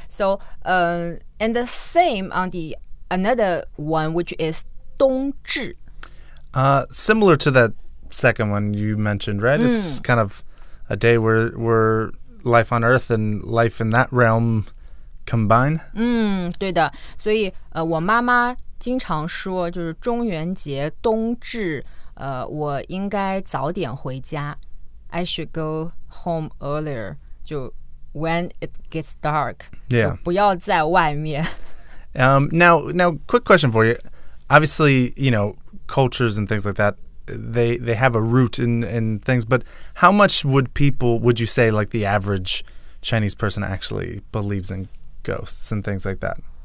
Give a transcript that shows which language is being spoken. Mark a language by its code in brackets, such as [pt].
[en] So, and the same on the another one, which is 冬至. Similar to that second one you mentioned, right? It's kind of a day where life on Earth and life in that realm combine. [zh] 对的。所以我妈妈经常说就是中元节冬至我应该早点回家。 [en] I should go home earlier, 就 when it gets dark. Yeah. [zh] 不要在外面。 [en] Now, quick question for you. Obviously, you know, cultures and things like that, they have a root in things, but how much would you say, like the average Chinese person actually believes in ghosts and things like that?